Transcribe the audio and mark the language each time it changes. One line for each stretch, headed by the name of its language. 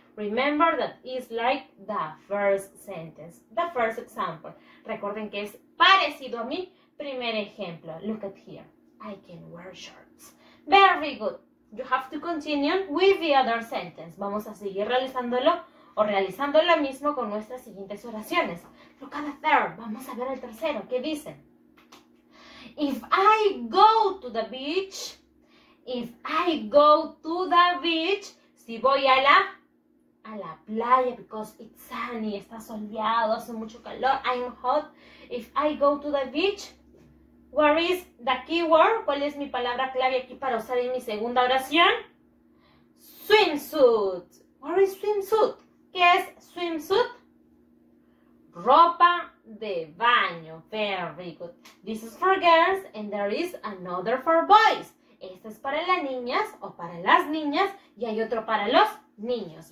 English: Remember that it's like the first sentence, the first example.
Spanish: Recuerden que es parecido a mi primer ejemplo.
English: Look at here. I can wear shorts. Very good. You have to continue with the other sentence.
Spanish: Vamos a seguir realizándolo o realizando lo mismo con nuestras siguientes oraciones.
English: Look at the third.
Spanish: Vamos a ver el tercero. ¿Qué dice?
English: If I go to the beach, if I go to the beach,
Spanish: si voy a la playa,
English: because it's sunny,
Spanish: está soleado, hace mucho calor,
English: I'm hot. If I go to the beach, where is the keyword?
Spanish: ¿Cuál es mi palabra clave aquí para usar en mi segunda oración?
English: Swimsuit. Where is swimsuit?
Spanish: ¿Qué es
English: swimsuit?
Spanish: Ropa de baño.
English: Very good. This is for girls and there is another for boys.
Spanish: Este es para las niñas o para las niñas y hay otro para los niños.